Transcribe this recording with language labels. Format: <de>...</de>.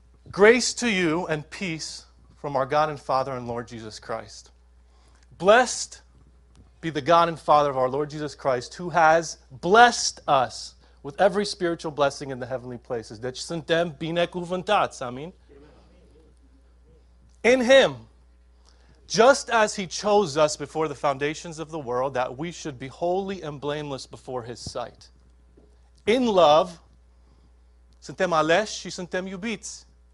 <en>Grace to you and peace from our God and Father and Lord Jesus Christ. Blessed be the God and Father of our Lord Jesus Christ, who has blessed us with every spiritual blessing in the heavenly places.</en> <ro>Deci suntem binecuvântați, amin?</ro> <en>In Him. Just as He chose us before the foundations of the world, that we should be holy and blameless before His sight. In love,</en> <ro>suntem aleși și suntem iubiți.</ro>